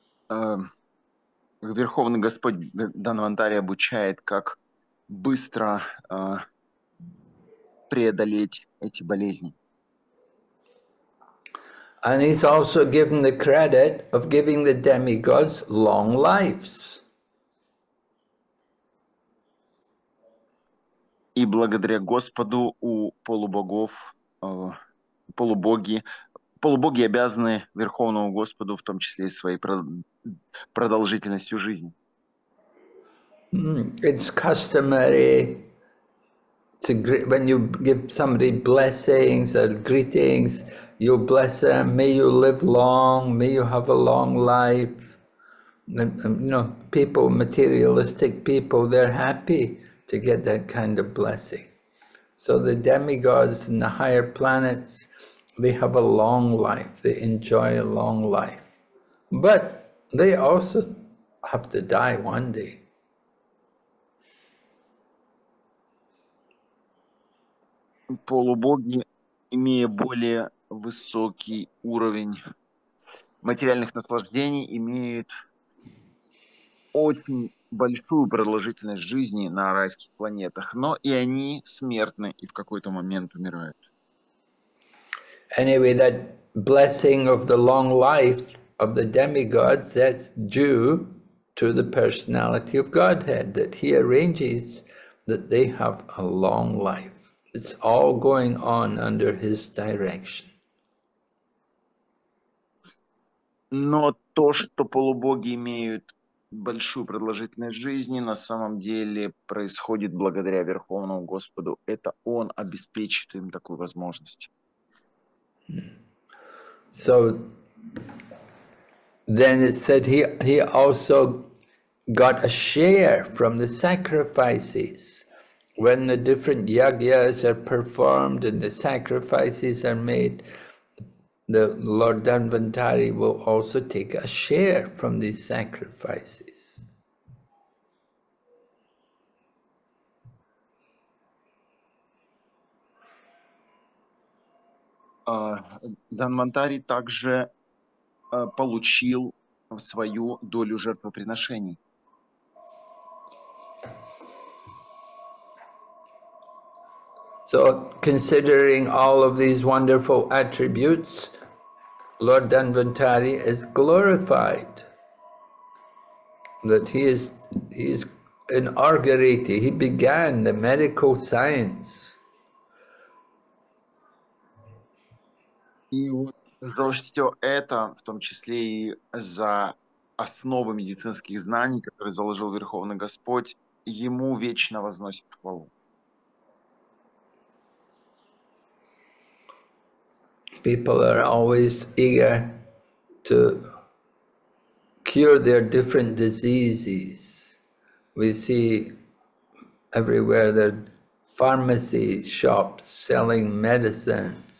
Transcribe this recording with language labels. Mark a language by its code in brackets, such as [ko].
[ru] Верховный Господь Данвантари обучает, как быстро преодолеть эти болезни. [en] And he's also given the credit of giving the demigods long lives. [ru] И благодаря Господу у полубогов, полубоги, полубоги обязаны Верховному Господу в том числе и своей продолжительностью жизни. [en] It's customary to greet, when you give somebody blessings or greetings, you bless them, may you live long, may you have a long life. You know, people, materialistic people, they're happy to get that kind of blessing. So the demigods and the higher planets, they have a long life, they enjoy a long life. But they also have to die one day. [ru] Полубоги, имея более высокий уровень материальных наслаждений, имеют очень большую продолжительность жизни на райских планетах, но и они смертны и в какой-то момент умирают. [en] Anyway, that blessing of the long life of the demigods, that's due to the personality of Godhead, that he arranges that they have a long life. It's all going on under his direction. [ru] Но то, что полубоги имеют большую продолжительность жизни, на самом деле происходит благодаря Верховному Господу. Это он обеспечит им такую возможность. [en] So then it said he also got a share from the sacrifices. When the different yagyas are performed and the sacrifices are made, the Lord Danvantari will also take a share from these sacrifices. [ru] Данвантари также получил свою долю жертвоприношений. [en] So, considering all of these wonderful attributes, Lord Danvantari is glorified. That he is inaugurated, he began the medical science. [ru] И за все это, в том числе и за основы медицинских знаний, которые заложил Верховный Господь, ему вечно возносит хвалу. [en] People are always eager to cure their different diseases. We see everywhere there are pharmacy shops selling medicine.